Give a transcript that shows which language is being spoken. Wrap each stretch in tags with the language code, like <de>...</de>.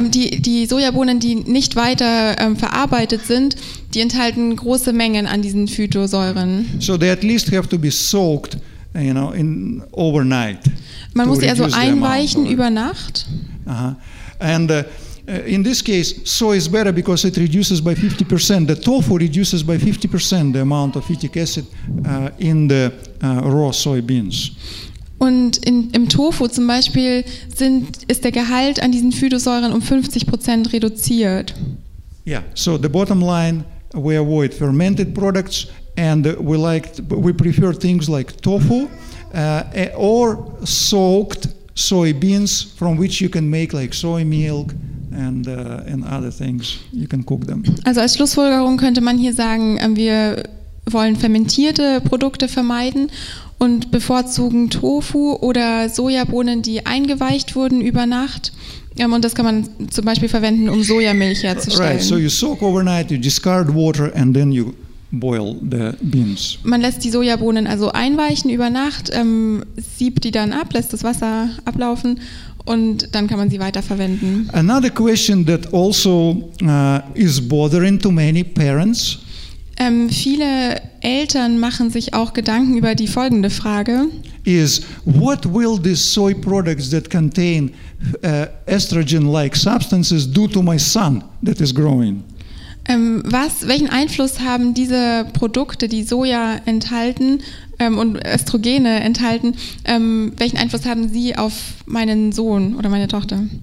<de>Die Sojabohnen, die nicht weiter verarbeitet sind, die enthalten große Mengen an diesen Phytosäuren.</de> <en>So they at least have to be soaked, you know, in overnight.</en> <de>Man muss sie also einweichen über Nacht. Uh-huh.</de> <en>And in this case, soy is better because it reduces by 50%. The tofu reduces by 50% the amount of phytic acid in the raw soybeans.</en> <de>Und im Tofu zum Beispiel ist der Gehalt an diesen Phytosäuren um 50% reduziert.</de> <en>Yeah, so the bottom line, we avoid fermented products and we prefer things like tofu or soaked soybeans from which you can make like soy milk and other things. You can cook them.</en> <de>Also als Schlussfolgerung könnte man hier sagen, wir wollen fermentierte Produkte vermeiden und bevorzugen Tofu oder Sojabohnen, die eingeweicht wurden über Nacht. Und das kann man zum Beispiel verwenden, um Sojamilch herzustellen.</de> <en>Right, so you soak overnight, you discard water and then you boil the beans.</en> <de>Man lässt die Sojabohnen also einweichen über Nacht, siebt die dann ab, lässt das Wasser ablaufen und dann kann man sie weiterverwenden.</de> <en>Another question that also is bothering to many parents.</en> <de>Viele Eltern machen sich auch Gedanken über die folgende Frage.</de> <en>Is what will these soy products that contain estrogen-like substances do to my son that is growing?</en> <de>Welchen Einfluss haben diese Produkte, die Soja enthalten und Östrogene enthalten, welchen Einfluss haben sie auf meinen Sohn oder meine Tochter?</de>